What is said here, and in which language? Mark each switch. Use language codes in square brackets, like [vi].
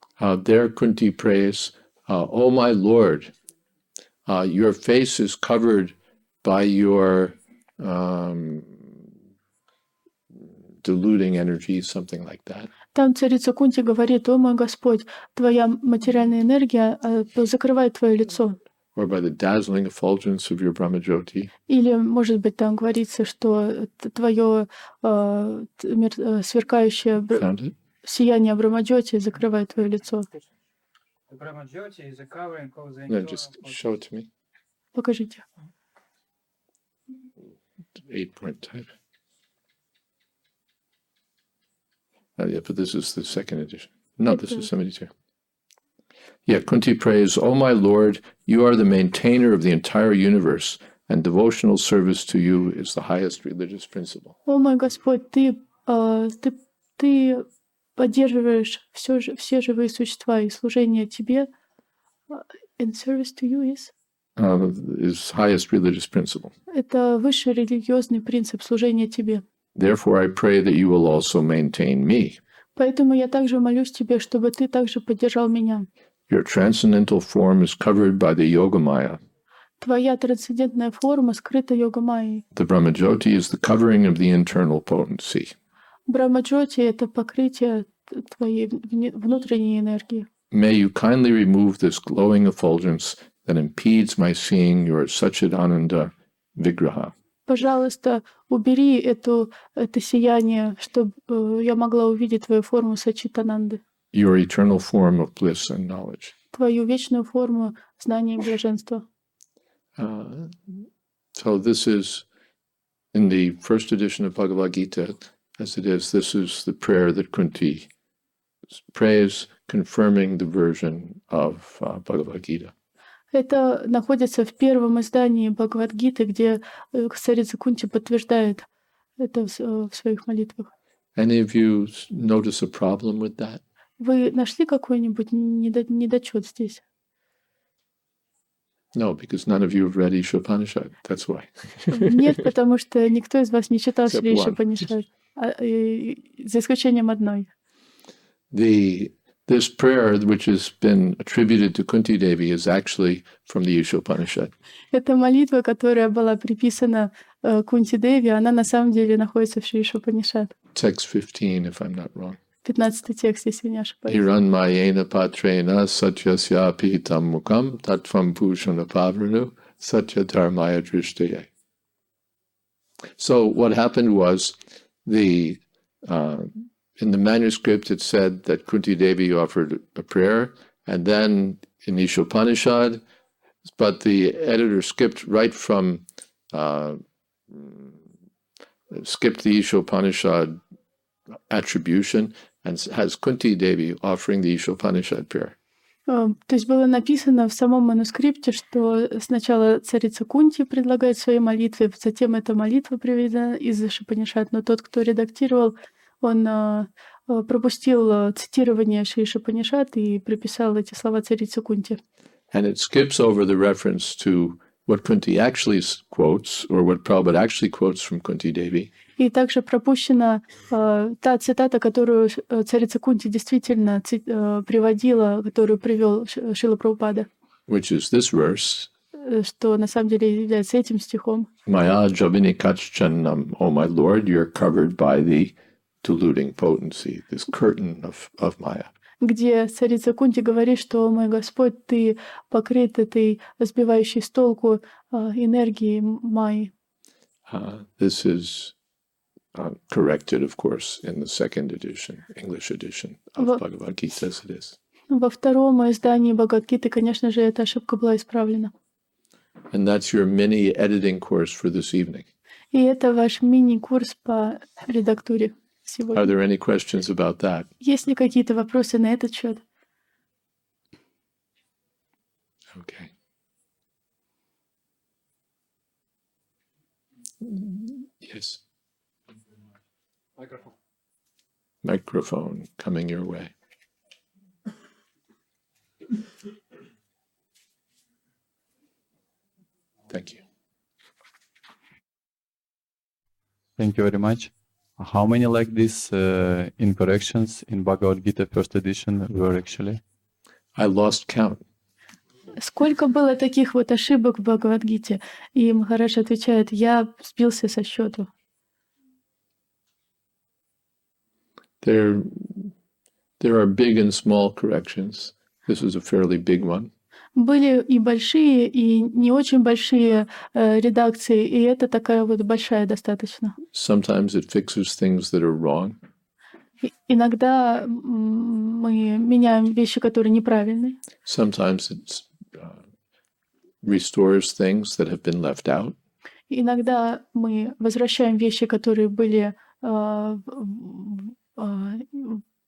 [en] There Kunti prays, "Oh my Lord, your face is covered by your deluding energy, something like that." [ru] Там царица Кунти говорит: "О мой Господь, твоя материальная энергия закрывает твое лицо." [en] Or by the dazzling effulgence of your Brahmajyoti. [ru] Или, может быть, там говорится, что твое сверкающее сияние Брахмаджоти закрывает твое лицо. [en] No, just show it to me. [ru] Покажите. [en] 8-point type. Oh, yeah, but this is the second edition. No, this is 72. Yeah, Kunti prays, O my Lord, you are the maintainer of the entire universe, and devotional service to you is the highest religious principle. [ru] О мой Господь, ты поддерживаешь все живые существа, и служение тебе, [en] and service to you is? is highest religious principle. [ru] Это высший религиозный принцип служения тебе. [en] Therefore, I pray that you will also maintain me. [ru] Поэтому я также молюсь тебе, чтобы ты также поддержал меня. [en] Your transcendental form is covered by the Yogamaya. [ru] Твоя трансцендентная форма скрыта Йогамайей. [en] The Brahmajyoti is the covering of the internal potency. [ru] Брахмаджоти — это покрытие твоей внутренней энергии. [en] May you kindly remove this glowing effulgence that impedes my seeing your Sachidananda Vigraha. [ru] Пожалуйста, убери это сияние, чтобы я могла увидеть твою форму Сачитананды. [en] Your eternal form of bliss and knowledge. [ru] Твою вечную форму знания и блаженства. [en] So this is in the first edition of Bhagavad Gita, as it is, this is the prayer that Kunti prays, confirming the version of Bhagavad Gita. [ru] Это находится в первом издании Бхагавад-гиты, где царица Кунти подтверждает это в своих молитвах. [en] Any of you notice a problem with that? [ru] Вы нашли какой-нибудь недочет здесь? [en] No, because none of you have read Isha Upanishad. That's why. [ru] Нет, потому что никто из вас не читал Исха Панишад, за исключением одной. [en] This prayer, which has been attributed to Kunti Devi, is actually from the Isha Upanishad. [ru] Эта молитва, которая была приписана Кунти Деви, она на самом деле находится в Исха Панишад. [en] Text 15, if I'm not wrong. [ru] 15 текст, если не ошибаюсь. [sa] Hiranmayena patrena satyasyapi tam mukam tatvam pushana pavrnu satyadharmaya drishtaye. [en] So what happened was in the manuscript it said that Kunti Devi offered a prayer and then in Isha Upanishad, but the editor skipped the Isha Upanishad attribution and has Kunti Devi offering the Isha Upanishad prayer. [ru] То есть было написано в самом манускрипте, что сначала царица Кунти предлагает свои молитвы, затем эта молитва приведена из Иши Панишад, но тот, кто редактировал, он пропустил цитирование Иши Панишад и приписал эти слова царице Кунти. [en] And it skips over the reference to what Kunti actually quotes, or what Prabhupada actually quotes from Kunti Devi. [ru] И также пропущена та цитата, которую царица Кунти действительно приводила, которую привел Шрила Прабхупада. [en] Which is this verse. [ru] Что на самом деле является этим стихом. [sa] Maya javini kachchanam, [en] O my Lord, you're covered by the deluding potency, this curtain of Maya. [ru] Где царица Кунти говорит, что, о мой Господь, ты покрыт этой сбивающей с толку энергией Майи. [en] This is corrected, of course, in the second edition, English edition of Bhagavad Gita, as it is. [ru] Во втором издании Бхагавад Гиты, конечно же, эта ошибка была исправлена. [en] And that's your mini editing course for this evening. [ru] И это ваш мини-курс по редактуре сегодня. [en] Are there any questions about that? [ru] Есть ли какие-то вопросы на этот счет? [en] Okay. Yes. Microphone coming your way. Thank you. Thank you very much. How many like these incorrections in Bhagavad Gita first edition were actually? I lost count. [ru] Сколько было таких вот ошибок в Бхагавад Гите? И Махарадж отвечает: я сбился со счету. [en] There are big and small corrections. This is a fairly big one. [ru] Были и большие, и не очень большие редакции, и это такая вот большая достаточно. [en] Sometimes it fixes things that are wrong. [ru] Иногда мы меняем вещи, которые неправильны. [en] Sometimes it restores things that have been left out. [ru] Иногда мы возвращаем вещи, которые были опущены.